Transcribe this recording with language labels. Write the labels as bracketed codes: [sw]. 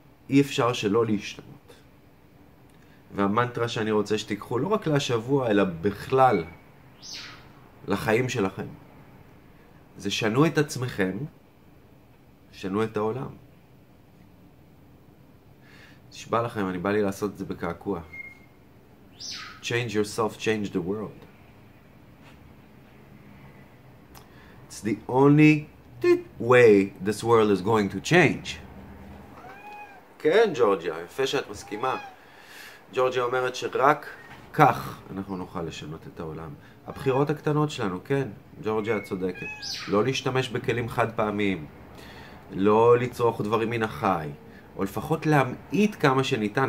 [he] אי אפשר שלא להשתנות. והמנטרה שאני רוצה שתיקחו לא רק לשבוע, אלא בכלל לחיים שלכם, זה שנו את עצמכם, שנו את העולם. נשבע לכם, אני בא לי לעשות את זה בקעקוע. [en] Change yourself, change the world. It's the only way this world is going to change. [he] כן, ג'ורג'יה, יפה שאת מסכימה. ג'ורג'יה אומרת שרק כך אנחנו נוכל לשנות את העולם. הבחירות הקטנות שלנו, כן, ג'ורג'יה את צודקת. לא להשתמש בכלים חד פעמיים. לא לצרוך דברים מן החי. או לפחות להמעיט כמה שניתן.